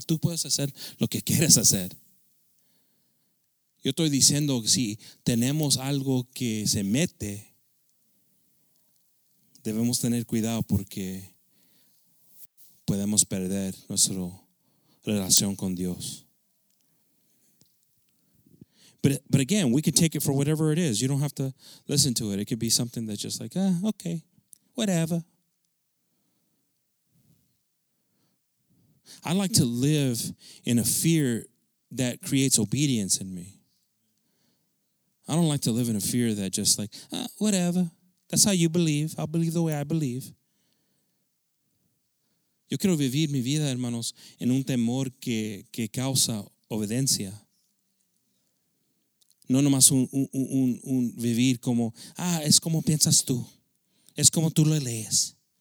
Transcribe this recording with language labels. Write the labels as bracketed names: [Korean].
[Spanish] Tú puedes hacer lo que quieras hacer. Yo estoy diciendo, si tenemos algo que se mete, debemos tener cuidado porque podemos perder nuestra relación con Dios. [English] But again, we can take it for whatever it is. You don't have to listen to it. It could be something that's just like, okay, whatever. I like to live in a fear that creates obedience in me. I don't like to live in a fear that just like, whatever. That's how you believe. I'll believe the way I believe. [Spanish] Yo quiero vivir mi vida, hermanos, en un temor que causa obediencia. No nomás un vivir como, es como piensas tú. Es como tú lo lees.